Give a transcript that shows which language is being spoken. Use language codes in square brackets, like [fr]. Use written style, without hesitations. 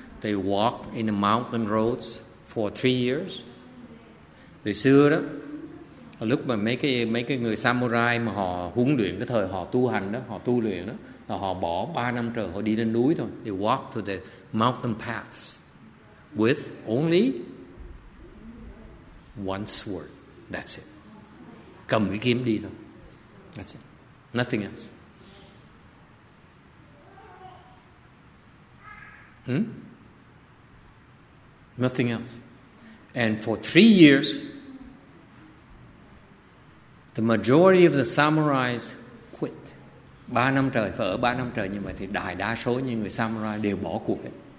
[en] They walk in the mountain roads for 3 years. [vi] Thời xưa đó, lúc mà mấy cái người samurai mà họ huấn luyện cái thời họ tu hành đó, họ tu luyện đó, là họ bỏ 3 năm trời họ đi lên núi thôi. [en] They walk to the mountain paths. With only one sword. That's it. [vi] Cầm cái kiếm đi thôi. [en] That's it. Nothing else. Nothing else. And for 3 years, the majority of the samurais quit. [vi] 3 năm trời, phải ở 3 năm trời như vậy thì đại đa số những người samurai đều bỏ cuộc hết.